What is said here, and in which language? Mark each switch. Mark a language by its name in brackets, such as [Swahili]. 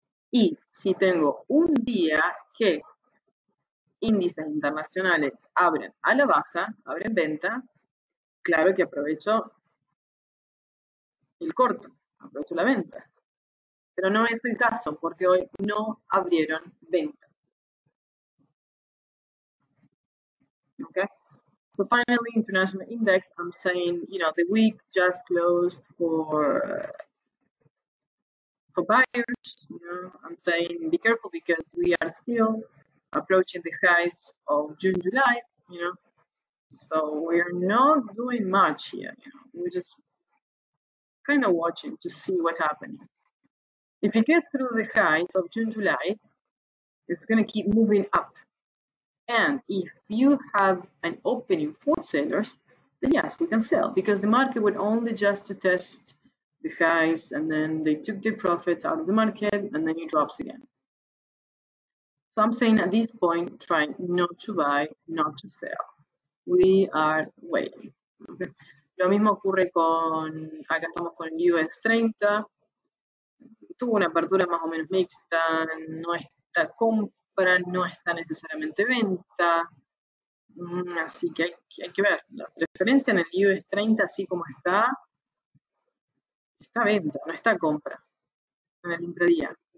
[Spanish] Y si tengo un día que índices internacionales abren a la baja, abren venta, claro que aprovecho el corto, aprovecho la venta. Pero no es el caso porque hoy no abrieron venta. Okay. [English] So finally, International Index, I'm saying, you know, the week just closed for buyers. You know, I'm saying be careful because we are still approaching the highs of June, July, you know. So we're not doing much here, you know. We're just kind of watching to see what's happening. If it gets through the highs of June, July, it's going to keep moving up. And if you have an opening for sellers, then yes, we can sell because the market would only just to test the highs and then they took the profits out of the market and then it drops again. So I'm saying at this point, try not to buy, not to sell. We are waiting. Okay. [Spanish] Lo mismo ocurre con, acá estamos con el US 30. Tuvo una apertura más o menos mixta, no está completa. Para no está necesariamente venta, así que hay que ver. La preferencia en el US 30, así como está, está venta, no está compra en el intradía.